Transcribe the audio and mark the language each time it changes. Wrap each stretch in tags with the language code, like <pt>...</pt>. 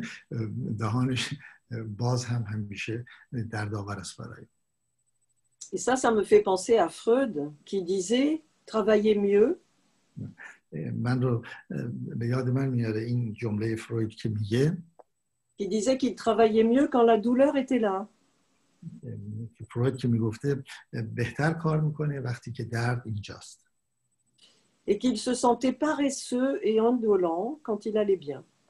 <fa>دهانش باز هم همیشه دردآور است برای.</fa> <fr>Et ça, ça me fait penser à Freud qui disait travailler mieux.</fr> <fa>من رو به یاد من میاره این جمله فروید که میگه.</fa> <fr>Qui disait qu'il travaillait mieux quand la douleur était là.</fr> <fa>فروید که میگفته بهتر کار میکنه وقتی که درد اینجاست.</fa> <fr>Et qu'il se sentait paresseux et indolent quand il allait bien.</fr>